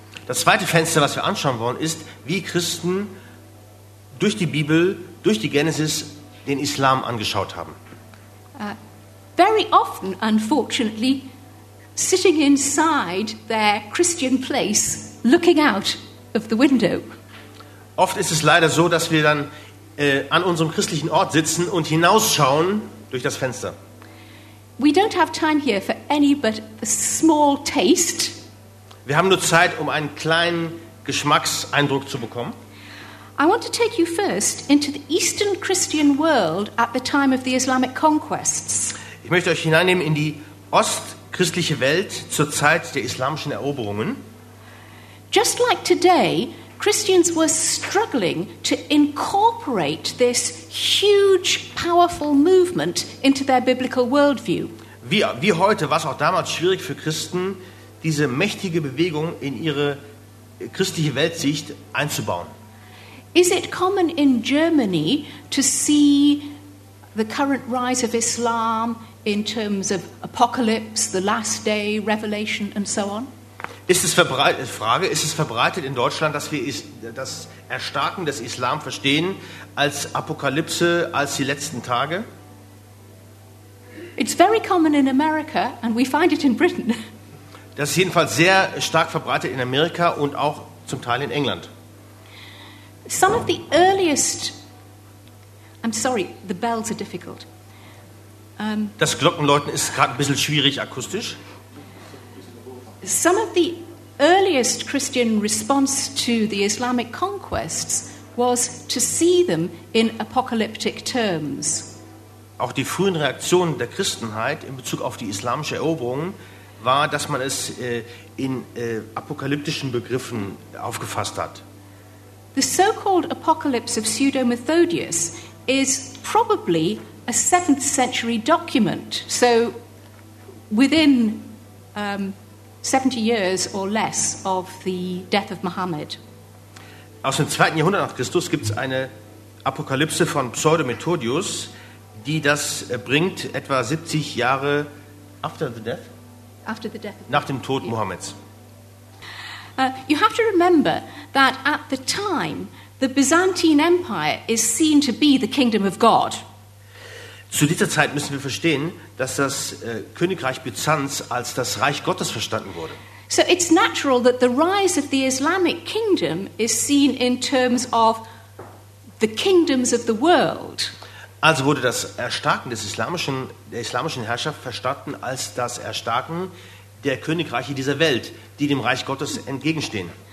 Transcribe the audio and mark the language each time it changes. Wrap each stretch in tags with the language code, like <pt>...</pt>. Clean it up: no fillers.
<de>Das zweite Fenster, was wir anschauen wollen, ist, wie Christen durch die Bibel, durch die Genesis, den Islam angeschaut haben.</de> <en>Very often, unfortunately, sitting inside their Christian place, looking out of the window.</en> <de>Oft ist es leider so, dass wir dann an unserem christlichen Ort sitzen und hinausschauen durch das Fenster.</de> <en>We don't have time here for any but a small taste.</en> <de>Wir haben nur Zeit, um einen kleinen Geschmackseindruck zu bekommen.</de> <en>I want to take you first into the Eastern Christian world at the time of the Islamic conquests.</en> <de>Ich möchte euch hineinnehmen in die ostchristliche Welt zur Zeit der islamischen Eroberungen.</de> <en>Just like today, Christians were struggling to incorporate this huge, powerful movement into their biblical worldview.</en> <de>Wie heute war es auch damals schwierig für Christen, diese mächtige Bewegung in ihre christliche Weltsicht einzubauen.</de> <en>Is it common in Germany to see the current rise of Islam in terms of apocalypse, the last day, revelation and so on?</en> <de>Ist es verbreitet in Deutschland, dass wir das Erstarken des Islam verstehen als Apokalypse, als die letzten Tage?</de> <en>It's very common in America and we find it in Britain.</en> <de>Das ist jedenfalls sehr stark verbreitet in Amerika und auch zum Teil in England.</de> <en>Some of the earliest, I'm sorry, the bells are difficult.</en> <de>Das Glockenläuten ist gerade ein bisschen schwierig akustisch.</de> <en>Some of the earliest Christian response to the Islamic conquests was to see them in apocalyptic terms.</en> <de>Auch die frühen Reaktionen der Christenheit in Bezug auf die islamische Eroberung war, dass man es in apokalyptischen Begriffen aufgefasst hat.</de> <en>The so-called apocalypse of Pseudo-Methodius is probably a 7th century document. So within 70 years or less of the death of Muhammad.</en> <de>Aus dem 2. Jahrhundert nach Christus gibt es eine Apokalypse von Pseudo-Methodius, die das bringt etwa 70 Jahre nach dem Tod Muhammads.</de> <en>You have to remember that at the time the Byzantine Empire is seen to be the kingdom of God.</en> <de>Zu dieser Zeit müssen wir verstehen, dass das Königreich Byzanz als das Reich Gottes verstanden wurde.</de> <en>So it's natural that the rise of the Islamic kingdom is seen in terms of the kingdoms of the world.</en> <de>Also wurde das Erstarken der islamischen Herrschaft verstanden als das Erstarken der Königreiche dieser Welt, die dem Reich Gottes entgegenstehen.</de>